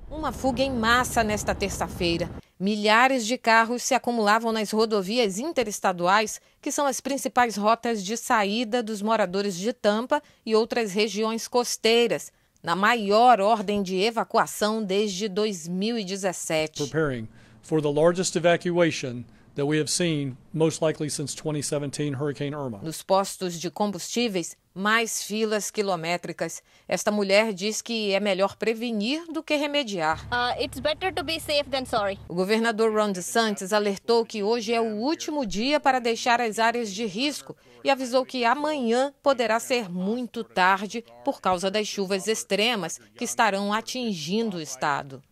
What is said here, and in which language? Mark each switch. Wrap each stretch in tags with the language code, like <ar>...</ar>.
<pt>Uma fuga em massa nesta terça-feira. Milhares de carros se acumulavam nas rodovias interestaduais, que são as principais rotas de saída dos moradores de Tampa e outras regiões costeiras, na maior ordem de evacuação desde 2017.</pt> <en>Preparing for the largest evacuation that we have seen, most likely since 2017 Hurricane Irma.</en> <pt>Nos postos de combustíveis, mais filas quilométricas. Esta mulher diz que é melhor prevenir do que remediar.</pt> <en>It's better to be safe than sorry.</en> <pt>O governador Ron DeSantis alertou que hoje é o último dia para deixar as áreas de risco e avisou que amanhã poderá ser muito tarde por causa das chuvas extremas que estarão atingindo o estado.</pt>